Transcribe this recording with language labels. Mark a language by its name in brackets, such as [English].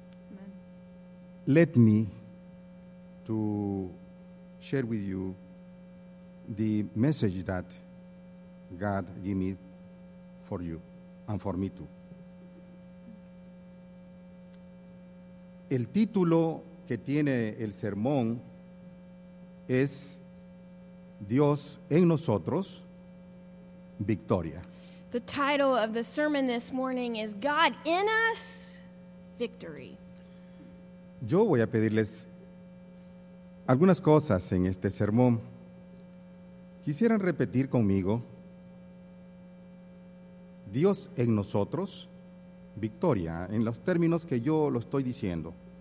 [English] Amen. Let me to share with you the message that God gave me for you and for me too. [Spanish] El título que tiene el sermón es Dios en nosotros, victoria. [English] The title of the sermon this morning is God in us, victory. [Spanish] Yo voy a pedirles algunas cosas en este sermón. Quisieran repetir conmigo, Dios en nosotros, victoria, en los términos que yo lo estoy diciendo.